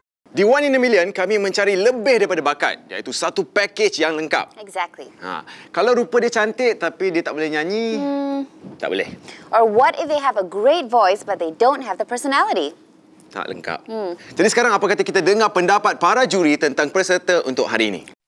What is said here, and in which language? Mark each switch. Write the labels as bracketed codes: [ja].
[ms] Di One in a Million, kami mencari lebih daripada bakat, iaitu satu package yang lengkap. [en] Exactly. [ms] Ha. Kalau rupa dia cantik tapi dia tak boleh nyanyi, tak boleh. [en] Or what if they have a great voice but they don't have the personality? [ms] Tak lengkap. Jadi sekarang apa kata kita dengar pendapat para juri tentang peserta untuk hari ini?